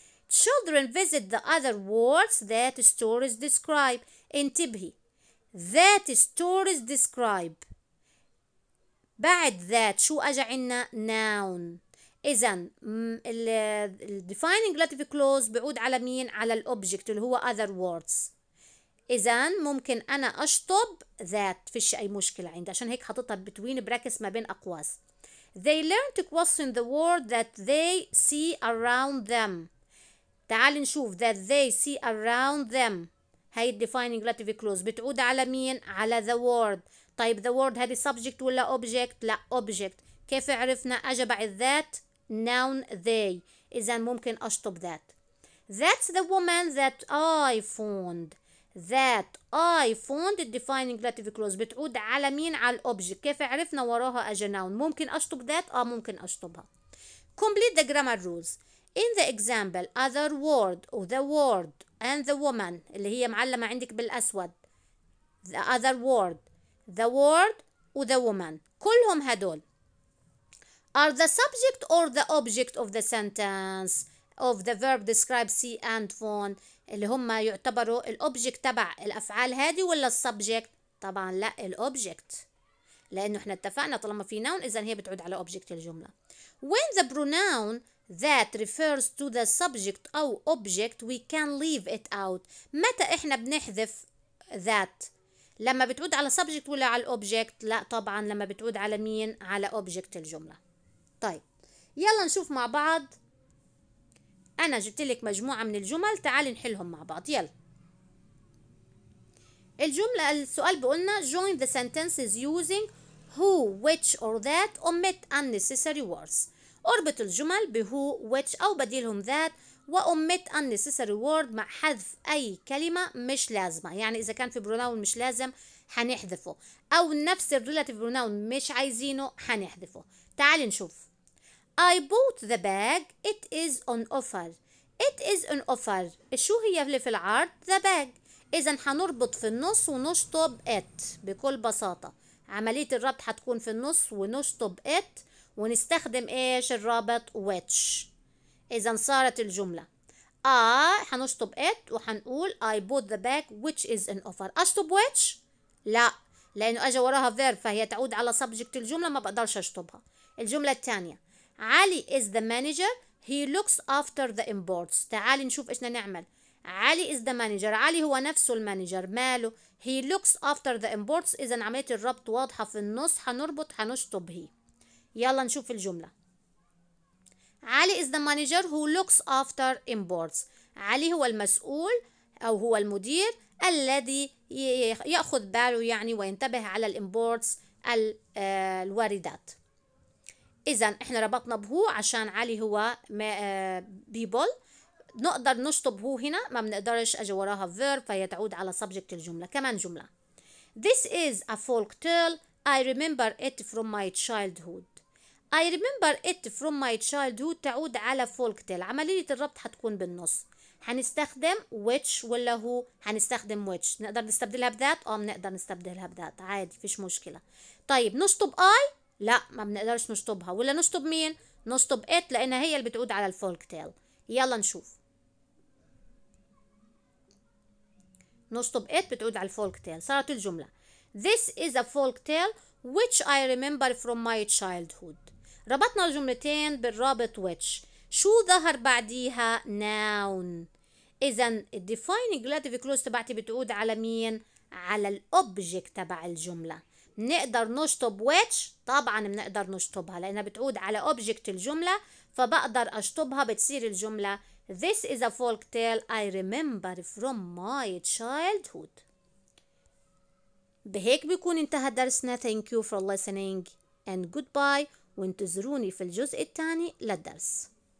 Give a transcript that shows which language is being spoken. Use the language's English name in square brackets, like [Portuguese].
[English] Children visit the other worlds that stories describe. [Arabic] انتبهي. [English] That stories describe. [Arabic] بعد that شو أجا عنا؟ noun. إذن الـ defining relative clause بعود على مين؟ على الـ object اللي هو other worlds. إذن ممكن أنا أشطب that، فيش أي مشكلة عندي عشان هيك حطيتها [English] between brackets [Arabic] ما بين أقواس. [English] They learn to question the world that they see around them. [Arabic] تعال نشوف [English] that they see around them [Arabic] هاي [English] defining relative clause [Arabic] بتعود على مين؟ على [English] the world. طيب the world هذه subject ولا object؟ لا object. [Arabic] كيف عرفنا؟ أجا بعد that noun they. إذن ممكن أشطب that. [English] That's the woman that I found. That I found the defining relative clause [Arabic] بتعود على مين؟ على [English] الobject. [Arabic] كيف عرفنا وراها أجا noun؟ ممكن أشطب that؟ آه ممكن أشطبها. [English] Complete the grammar rules. In the example other word or the word and the woman [Arabic] اللي هي معلمة عندك بالأسود. [English] The other word. The word or the woman. [Arabic] كلهم هدول. [English] Are the subject or the object of the sentence of the verb describe see and found [Arabic] اللي هم يعتبروا الأوبجكت تبع الأفعال هذه ولا السبجكت؟ طبعا لا الأوبجكت. لأنه إحنا اتفقنا طالما في noun إذن هي بتعود على object الجملة. [English] When the pronoun that refers to the subject [Arabic] أو [English] object we can leave it out. [Arabic] متى إحنا بنحذف that؟ لما بتعود على subject ولا على object؟ لا طبعا لما بتعود على مين؟ على object الجملة. طيب يلا نشوف مع بعض. أنا جبت لك مجموعة من الجمل، تعالي نحلهم مع بعض. يلا الجملة، السؤال بيقولنا [English] join the sentences using who, which or that, omit unnecessary words. [Arabic] اربط الجمل ب who, which أو بديلهم that و [English] omit unnecessary word [Arabic] مع حذف أي كلمة مش لازمة. يعني إذا كان في pronoun مش لازم هنحذفه، أو نفس الrelative pronoun مش عايزينه هنحذفه. تعالي نشوف. [English] I bought the bag. It is on offer. It is on offer. [Arabic] شو هي اللي في العرض؟ [English] The bag. [Arabic] إذا هنربط في النص ونشطب it بكل بساطة. عملية الربط هتكون في النص ونشطب it ونستخدم إيش الرابط which. إذا صارت الجملة. هنشطب [English] it [Arabic] وحنقول [English] I bought the bag which is on offer. [Arabic] أشطب which؟ لا، لأنه أجا وراها verb فهي تعود على subject الجملة، ما بقدرش أشطبها. الجملة الثانية. [English] علي is the manager. He looks after the imports. [Arabic] تعالي نشوف إيش نعمل. [English] علي is the manager. [Arabic] علي هو نفسه المانجر. ماله؟ [English] He looks after the imports. [Arabic] إذا عملية الربط واضحة في النص، هنربط هنشطب هي. يلا نشوف الجملة. [English] علي is the manager who looks after imports. [Arabic] علي هو المسؤول أو هو المدير الذي يأخذ باله يعني وينتبه على الimports الواردات. إذن إحنا ربطنا بهو عشان علي هو بيبول، نقدر نشطب هو هنا، ما بنقدرش أجي وراها verb فهي تعود على subject الجملة. كمان جملة. [English] This is a folk tale. I remember it from my childhood. I remember it from my childhood [Arabic] تعود على [English] folk tale. [Arabic] عملية الربط هتكون بالنص. هنستخدم which ولا هو؟ هنستخدم which. نقدر نستبدلها بذات؟ بنقدر نستبدلها بذات عادي، فيش مشكلة. طيب نشطب I؟ لا، ما بنقدرش نشطبها. ولا نشطب مين؟ نشطب it لأنها هي اللي بتعود على الفولك تيل. يلا نشوف. نشطب it بتعود على الفولك تيل. صارت الجملة. [English] This is a folk tale which I remember from my childhood. [Arabic] ربطنا الجملتين بالرابط which. شو ظهر بعديها؟ noun. إذن defining relative clause تبعتي بتعود على مين؟ على الأوبجكت تبع الجملة. نقدر نشطب which؟ طبعا بنقدر نشطبها لأنها بتعود على object الجملة، فبقدر أشطبها بتصير الجملة [English] This is a folk tale I remember from my childhood. [Arabic] بهيك بيكون انتهى درسنا. [English] Thank you for listening and goodbye. [Arabic] وانتظروني في الجزء الثاني للدرس.